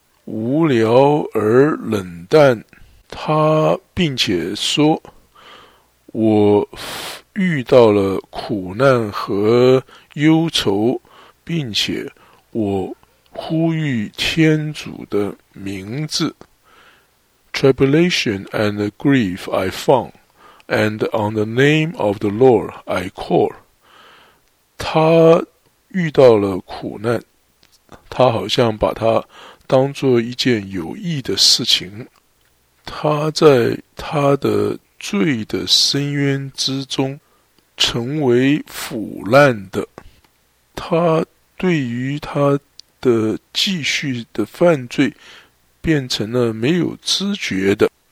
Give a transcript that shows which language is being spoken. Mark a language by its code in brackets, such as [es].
[zh] 无聊而冷淡，他并且说，我遇到了苦难和忧愁，并且我呼吁天主的名字。 [en] Tribulation and grief I found, and on the name of the Lord I call. [zh] 他遇到了苦难，他好像把他当作一件有益的事情。他在他的罪的深渊之中成为腐烂的，他对于他的继续的犯罪变成了没有知觉的。